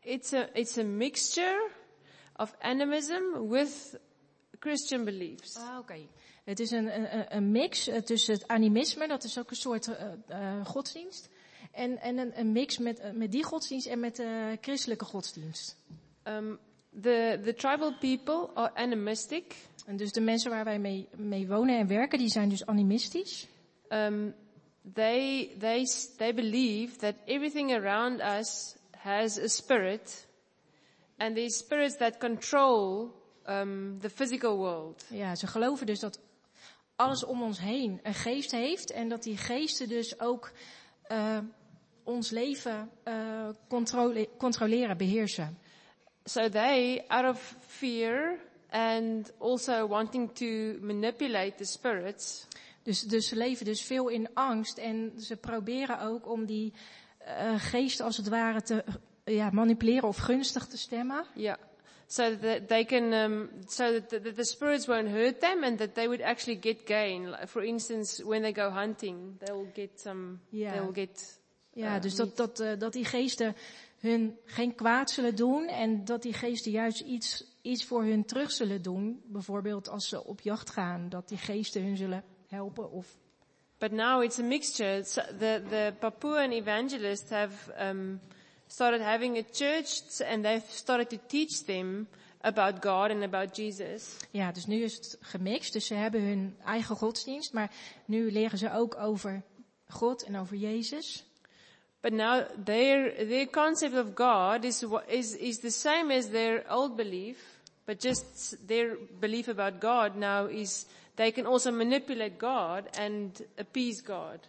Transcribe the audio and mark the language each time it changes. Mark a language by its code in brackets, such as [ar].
[en] Ja, it's a mixture of animism with Christian beliefs. Ah, oké. Okay. [nl] Het is een mix tussen het animisme, dat is ook een soort godsdienst, en een mix met die godsdienst en met de christelijke godsdienst. [en] The tribal people are animistic. [nl] En dus de mensen waar wij mee wonen en werken, die zijn dus animistisch. [en] They believe that everything around us has a spirit, and these spirits that control the physical world. [nl] Ja, ze geloven dus dat alles om ons heen een geest heeft, en dat die geesten dus ook ons leven controleren, beheersen. [en] So they, out of fear and also wanting to manipulate the spirits. [nl] Dus ze leven dus veel in angst, en ze proberen ook om die geest als het ware te manipuleren of gunstig te stemmen. Yeah. [en] So that they can so that the spirits won't hurt them and that they would actually get gain. Like, for instance, when they go hunting, they'll get some they'll get. [nl] Ja, dus meat. Dat die geesten hun geen kwaad zullen doen, en dat die geesten juist iets voor hun terug zullen doen. Bijvoorbeeld als ze op jacht gaan, dat die geesten hun zullen helpen of [en] But now it's a mixture. It's the Papuan evangelists have started having a church and they've started to teach them about God and about Jesus. [nl] Ja, dus nu is het gemixt. Dus ze hebben hun eigen godsdienst, maar nu leren ze ook over God en over Jezus. [en] But now their concept of God is the same as their old belief, but just their belief about God now is they can also manipulate God and appease God.